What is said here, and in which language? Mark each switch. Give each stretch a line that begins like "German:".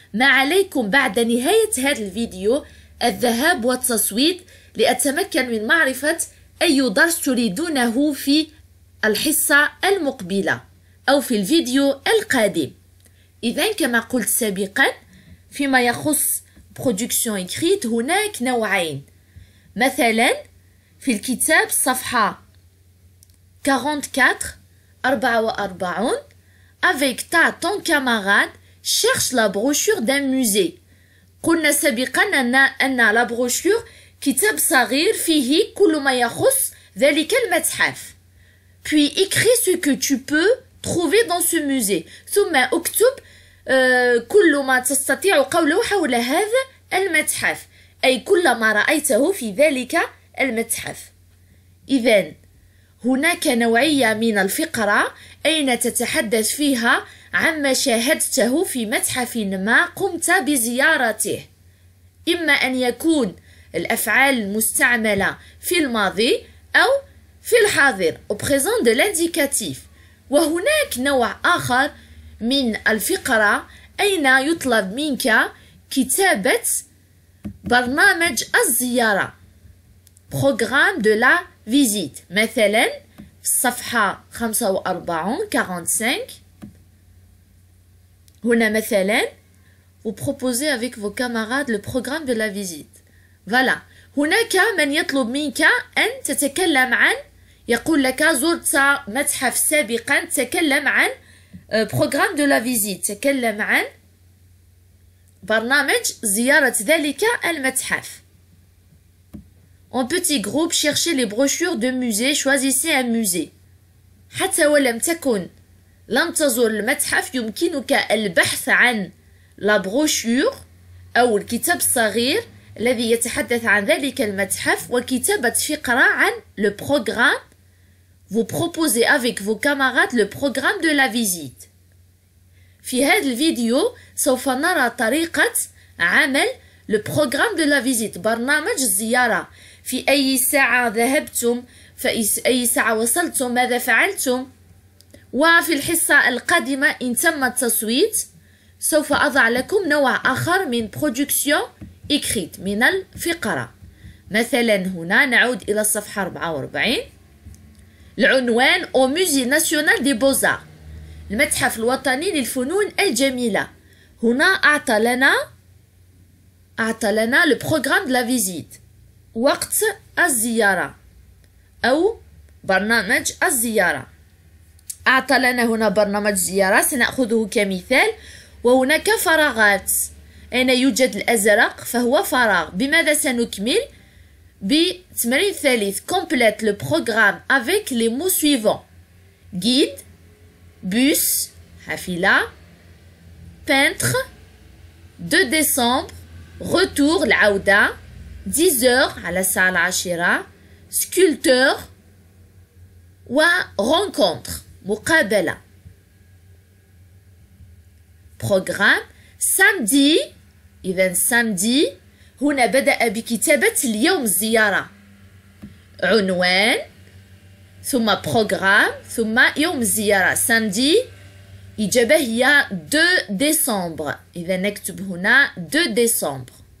Arabic: ما عليكم بعد نهاية هذا الفيديو الذهاب والتصويت لأتمكن من معرفة أي درس تريدونه في الحصة المقبلة أو في الفيديو القادم. إذن كما قلت سابقا، فيما يخص
French: production écrite
Arabic: هناك نوعين. مثلا في الكتاب صفحة
French: 44 avec ta ton camarade cherche la brochure d'un musée.
Arabic: قلنا سابقا أن la brochure كتاب صغير فيه كل ما يخص ذلك المتحف.
French: Puis écris ce que tu peux trouver dans ce musée.
Arabic: ثم اكتب كل ما تستطيع قوله حول هذا المتحف، أي كل ما رأيته في ذلك المتحف. إذن هناك نوعية من الفقرة أين تتحدث فيها عما شاهدته في متحف ما قمت بزيارته. إما أن يكون الأفعال المستعملة في الماضي أو في الحاضر،
French: au présent de l'indicatif.
Arabic: وهناك نوع آخر من الفقرة أين يطلب منك كتابة برنامج الزيارة،
French: programme de la visite.
Arabic: مثلا في الصفحة 45 هنا مثلا
French: vous proposez avec vos camarades le programme de la visite. Voilà.
Arabic: هناك من يطلب منك أن تتكلم عن، يقول لك زرت متحف سابقا، تكلم عن بروغرام دو لا فيزيت، تكلم عن برنامج زيارة ذلك المتحف.
French: En petit groupe cherchez les brochures de musée, choisissez un musée.
Arabic: حتى ولم تكن لم تزور المتحف، يمكنك البحث عن لا بروشور أو الكتاب الصغير الذي يتحدث عن ذلك المتحف وكتابة فقرة عن لو بروغرام.
French: Vous proposez avec vos camarades le programme de la visite.
Arabic: في هذا الفيديو سوف نرى طريقة عمل
French: le programme de la visite،
Arabic: برنامج الزيارة. في أي ساعة ذهبتم، في أي ساعة وصلتم، ماذا فعلتم. وفي الحصة القادمة إن تم التصويت سوف أضع لكم نوع آخر من
French: production écrite،
Arabic: من الفقرة. مثلا هنا نعود إلى الصفحة 44، العنوان
French: au musée national des beaux-arts،
Arabic: المتحف الوطني للفنون الجميلة. هنا أعطى لنا
French: le programme de la visite،
Arabic: وقت الزيارة أو برنامج الزيارة. أعطى لنا هنا برنامج زيارة سنأخذه كمثال، وهناك فراغات. أين يوجد الأزرق؟ فهو فراغ. بماذا سنكمل؟ بتمرين ثالث،
French: complete le programme avec les mots suivants: guide, bus,
Arabic: حافلة,
French: peintre, 2 décembre, retour,
Arabic: العودة,
French: 10h
Arabic: على الساعة العاشرة,
French: sculpteur, و rencontre,
Arabic: مقابلة.
French: programme samedi.
Arabic: إذن samedi هنا بدأ بكتابة اليوم الزيارة، عنوان، ثم بروغرام ثم يوم الزيارة ساندي إجابة هي 2 ديسمبر إذا نكتب هنا 2 ديسمبر